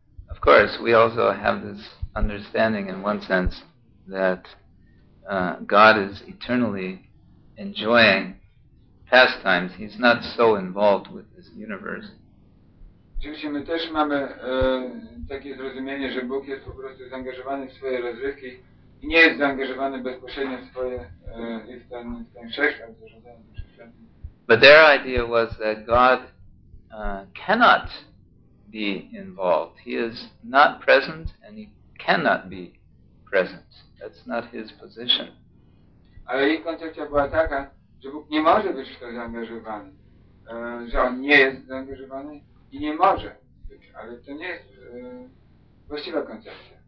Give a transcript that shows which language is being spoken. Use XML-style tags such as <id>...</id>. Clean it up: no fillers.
<en>Of course, we also have this understanding in one sense that God is eternally enjoying pastimes. He's not so involved with this universe.</en> <pl>Oczywiście my też mamy takie zrozumienie, że Bóg jest po prostu zaangażowany w swoje rozrywki i nie jest zaangażowany bezpośrednio w swoje ten wszechświat, zarządzany tym wszechświatem.</pl> <en>But their idea was that God cannot be involved. He is not present and he cannot be present. That's not his position.</en> <pl>Ale ich koncepcja była taka, że Bóg nie może być w to zaangażowany, że On nie jest zaangażowany. I nie może być, ale to nie jest właściwa koncepcja.</pl>